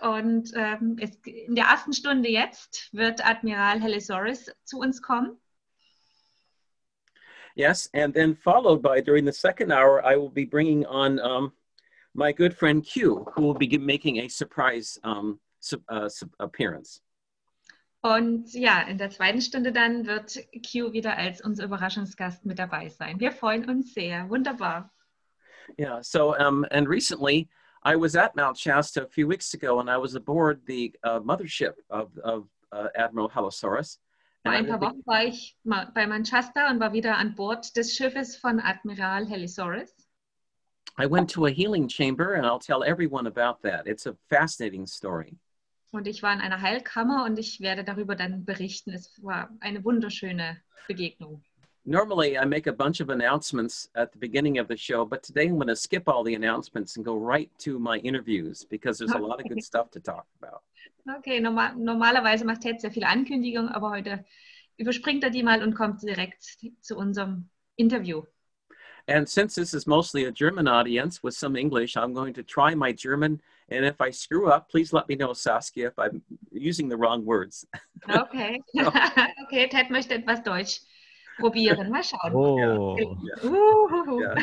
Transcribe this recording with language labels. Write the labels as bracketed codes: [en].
[de] Und es, in der ersten Stunde jetzt wird Admiral Halosaurus zu uns kommen. [en] Yes, and then followed by, during the second hour, I will be bringing on my good friend Q, who will be making a surprise appearance. [de] Und ja, in der zweiten Stunde dann wird Q wieder als unser Überraschungsgast mit dabei sein. Wir freuen uns sehr. Wunderbar. [en] Yeah, so, and recently I was at Mount Shasta a few weeks ago and I was aboard the mothership of Admiral Halosaurus. [de] Vor ein paar Wochen war ich bei Mount Shasta und war wieder an Bord des Schiffes von Admiral Halosaurus. [en] I went to a healing chamber and I'll tell everyone about that. It's a fascinating story. [de] Und ich war in einer Heilkammer und ich werde darüber dann berichten. Es war eine wunderschöne Begegnung. [en] Normally I make a bunch of announcements at the beginning of the show, but today I'm going to skip all the announcements and go right to my interviews because there's a lot of good stuff to talk about. [de] Okay, normalerweise macht Ted sehr viel Ankündigung, aber heute überspringt die mal und kommt direkt zu unserem Interview. [en] And since this is mostly a German audience with some English, I'm going to try my German. And if I screw up, please let me know, Saskia, if I'm using the wrong words. [de] Okay. So. Okay, Ted möchte etwas Deutsch probieren. Mal schauen. Oh. Yeah. Yeah.